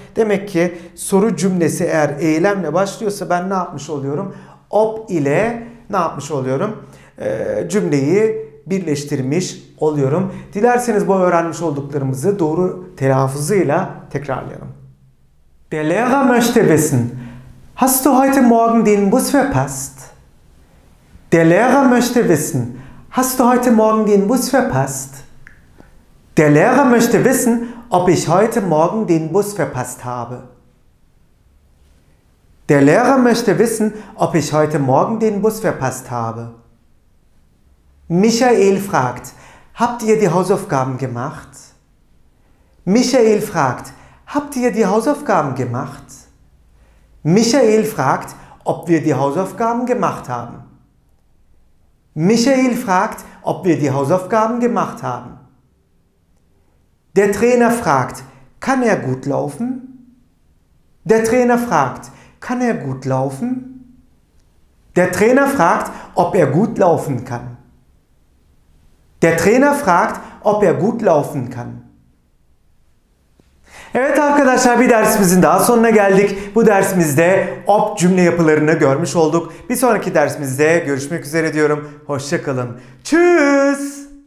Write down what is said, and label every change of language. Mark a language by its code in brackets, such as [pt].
[tr] Demek ki soru cümlesi eğer eylemle başlıyorsa ben ne yapmış oluyorum? Op ile ne yapmış oluyorum? Cümleyi birleştirmiş oluyorum. Dilerseniz bu öğrenmiş olduklarımızı doğru telaffuzuyla tekrarlayalım. [de] Belega möchte wissen. Hast du heute morgen den Bus verpasst? Der Lehrer möchte wissen, hast du heute Morgen den Bus verpasst? Der Lehrer möchte wissen, ob ich heute Morgen den Bus verpasst habe. Der Lehrer möchte wissen, ob ich heute Morgen den Bus verpasst habe. Michael fragt, habt ihr die Hausaufgaben gemacht? Michael fragt, habt ihr die Hausaufgaben gemacht? Michael fragt, ob wir die Hausaufgaben gemacht haben. Michael fragt, ob wir die Hausaufgaben gemacht haben. Der Trainer fragt, kann er gut laufen? Der Trainer fragt, kann er gut laufen? Der Trainer fragt, ob er gut laufen kann. Der Trainer fragt, ob er gut laufen kann. [tr] Evet arkadaşlar, bir dersimizin daha sonuna geldik. Bu dersimizde op cümle yapılarını görmüş olduk. Bir sonraki dersimizde görüşmek üzere diyorum. Hoşça kalın. Tschüss.